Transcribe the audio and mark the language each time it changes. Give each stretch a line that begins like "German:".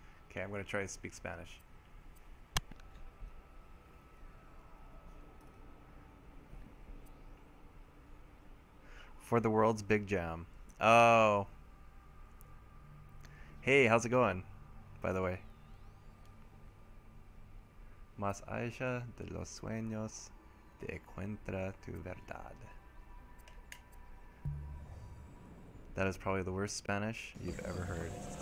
English: Okay, I'm gonna try to speak Spanish. For the world's big jam. Oh. Hey, how's it going, by the way?
Spanish: Más allá de los sueños, te encuentra tu verdad.
English: That is probably the worst Spanish you've ever heard.